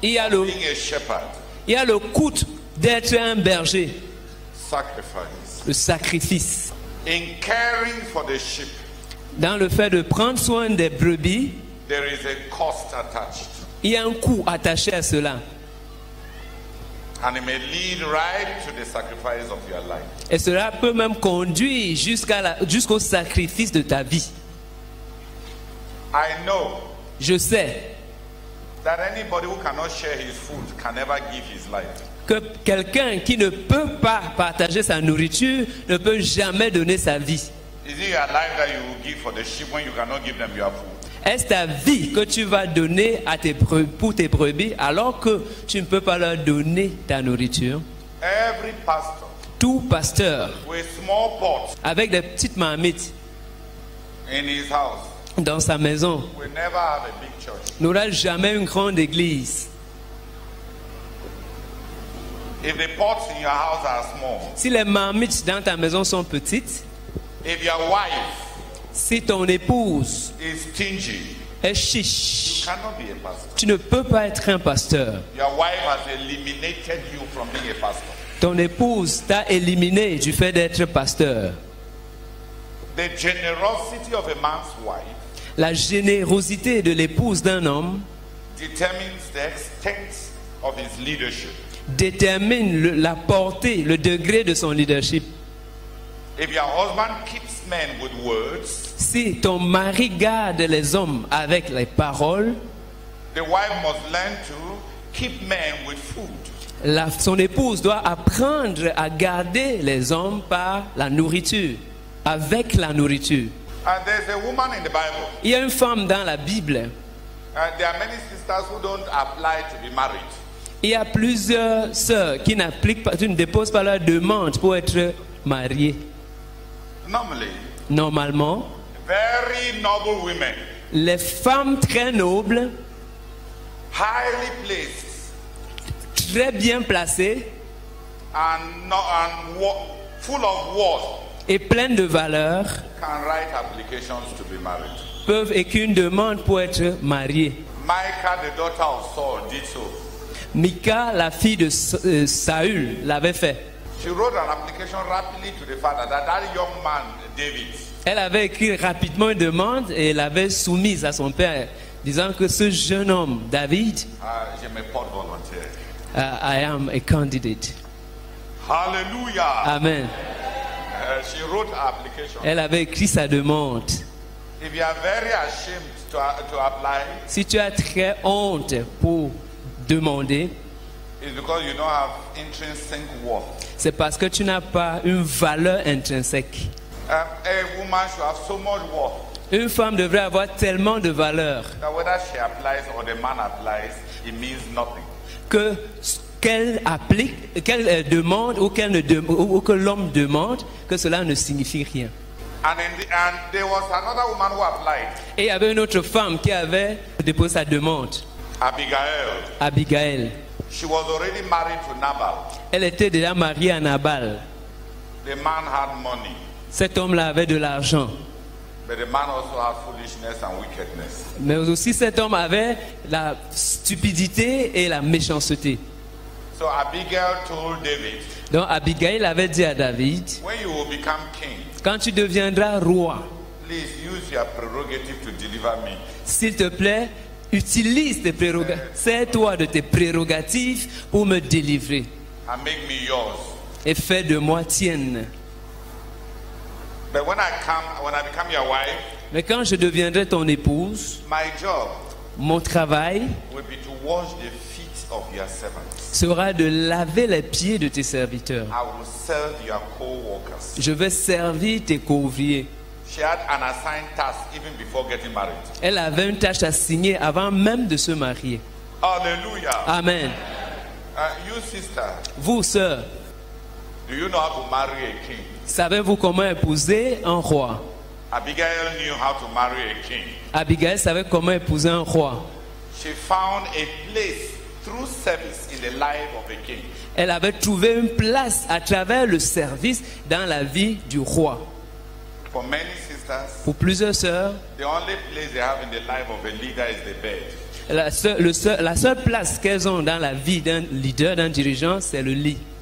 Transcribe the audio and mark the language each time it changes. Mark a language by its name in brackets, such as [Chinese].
[English] being a shepherd. [French] Il y a le coût d'être un berger. [English] Sacrifice. [French] Le sacrifice. [English] In caring for the sheep, [French] dans le fait de prendre soin des brebis, [English] there is a cost attached. [French] Il y a un coût attaché à cela. [English] And it may lead right to the sacrifice of your life. [French] Et cela peut même conduire jusqu'au sacrifice de ta vie. [English] I know. [French] Je sais. [English] That anybody who cannot share his food can never give his life. [French] Que quelqu'un qui ne peut pas partager sa nourriture ne peut jamais donner sa vie. [English] Is it your life that you will give for the sheep when you cannot give them your food? [French] Est-ce ta vie que tu vas donner à tes brebis, pour tes brebis alors que tu ne peux pas leur donner ta nourriture? [English] Every pastor, [French] tout pasteur [English] with small pot, [French] avec des petites marmites [English] in his house, [French] dans sa maison [English] will never have a big church. [French] N'aura jamais une grande église. [English] If the pots in your house are small, [French] si les marmites dans ta maison sont petites, [English] if your wife, [French] si ton épouse [English] is stingy, [French] est chiche, [English] you cannot be a pastor. [French] Tu ne peux pas être un pasteur. [English] Your wife has eliminated you from being a pastor. [French] Ton épouse t'a éliminé du fait d'être pasteur. [English] The generosity of a man's wife, [French] la générosité de l'épouse d'un homme [English] determines the extent of his leadership. [French] Détermine la portée, le degré de son leadership. [English] If your husband keeps men with words, [French] si ton mari garde les hommes avec les paroles, [English] the wife must learn to keep men with food. [French] Son épouse doit apprendre à garder les hommes par la nourriture, avec la nourriture. [English] And there's a woman in the Bible. [French] Il y a une femme dans la Bible. [English] There are many sisters who don't apply to be married. [French] Il y a plusieurs sœurs qui n'appliquent pas, qui ne déposent pas leur demande pour être mariées. Normalement, [English] very noble women, [French] les femmes très nobles, [English] highly placed, [French] très bien placées, [English] and full of worth, [French] et pleines de valeur, [English] can write applications to be married, [French] peuvent écrire une demande pour être mariées. [English] Micah, the daughter of Saul, did so. [French] Micah, la fille de Saül, l'avait fait. [English] She wrote an application rapidly to the father that that young man, David. [French] Elle avait écrit rapidement une demande et l'avait soumise à son père, disant que ce jeune homme, David, je me porte volontaire. [English] I am a candidate. Hallelujah. Amen. She wrote an application. [French] Elle avait écrit sa demande. [English] If you are very ashamed to apply, [French] si tu as très honte pour demander, [English] it's because you don't have intrinsic worth. [French] C'est parce que tu n'as pas une valeur intrinsèque. [English] A woman should have so much worth. [French] Une femme devrait avoir tellement de valeur. [English] That whether she applies or the man applies, it means nothing. [French] Que qu'elle applique, qu'elle demande ou qu'elle ne ou que l'homme demande, que cela ne signifie rien. [English] And there was another woman who applied. [French] Et il y avait une autre femme qui avait déposé sa demande. [English] Abigail. [French] Abigail. [English] She was already married to Nabal. [French] Elle était déjà mariée à Nabal. [English] The man had money. [French] Cet homme-là avait de l'argent. [English] But the man also had foolishness and wickedness. [French] Mais aussi cet homme avait la stupidité et la méchanceté. [English] So Abigail told David, [French] donc Abigail avait dit à David, [English] when you will become king, [French] quand tu deviendras roi, [English] please use your prerogative to deliver me. [French] S'il te plaît, utilise tes prérogatives, sers-toi de tes prérogatives pour me délivrer. [English] And make me yours. [French] Et fais de moi tienne. [English] But when I come, when I become your wife, [French] mais quand je deviendrai ton épouse, [English] my job, [French] mon travail [English] will be to wash the feet of your servants. [French] Sera de laver les pieds de tes serviteurs. [English] I will serve your co-workers. [French] Je vais servir tes co-ouvriers. [English] She had an assigned task even before getting married. [French] Elle avait une tâche assignée avant même de se marier. [English] Hallelujah. Amen. You sister, [French] vous, sœur, [English] do you know how to marry a king? [French] Savez-vous comment épouser un roi? [English] Abigail knew how to marry a king. [French] Abigail savait comment épouser un roi. [English] She found a place through service in the life of a king. [French] Elle avait trouvé une place à travers le service dans la vie du roi. [English] For many sisters, [French] pour plusieurs sœurs, [English] the only place they have in the life of a leader is the bed. [French] La seule place qu'elles ont dans la vie d'un leader, d'un dirigeant, c'est le lit.